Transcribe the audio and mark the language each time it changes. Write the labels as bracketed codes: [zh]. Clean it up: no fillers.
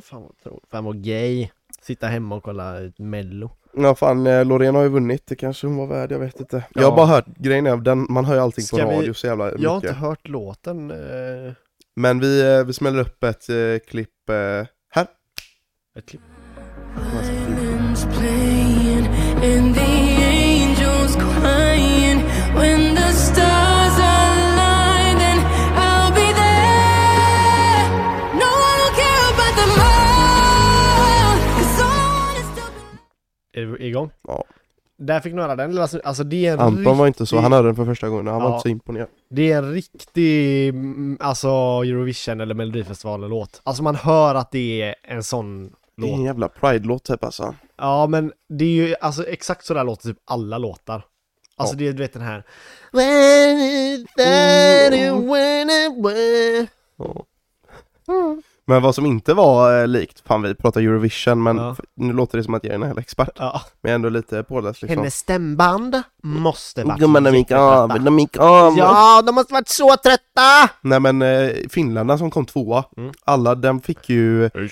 [sv] Fan vad gay. Sitta hemma och kolla ett Mello. Ja, fan, Loreen har ju vunnit. Det kanske hon var värd, jag vet inte. Jag har bara hört grejen av den. Man hör ju allting på radio så jävla mycket. Jag har inte hört låten. Men vi smäller upp ett klipp här. Ett klipp. [en] Violins playing and the angels crying when the stars align, then I'll be there. No one will care about the mind. [sv] Är vi igång? Ja. Där fick några den. Alltså, det är Anton riktig... var inte så. Han hörde den för första gången. Han var inte så imponerad. Det är en riktig alltså Eurovision eller Melodifestivalen låt. Alltså man hör att det är en sån låt. Det är en jävla Pride-låt typ alltså. Ja, men det är ju alltså exakt sådär låter typ alla låtar. Alltså det är, du vet, den här. [en] When it, when it, when it, when it. [sv] Men vad som inte var likt, fan vi pratar Eurovision, men nu låter det som att jag är en hel expert. Ja. Men jag är ändå lite påläst liksom. Hennes stämband måste vara gumman, de gick av. Ja, de måste varit så trötta! Nej, men finländarna som kom tvåa, alla, de fick ju...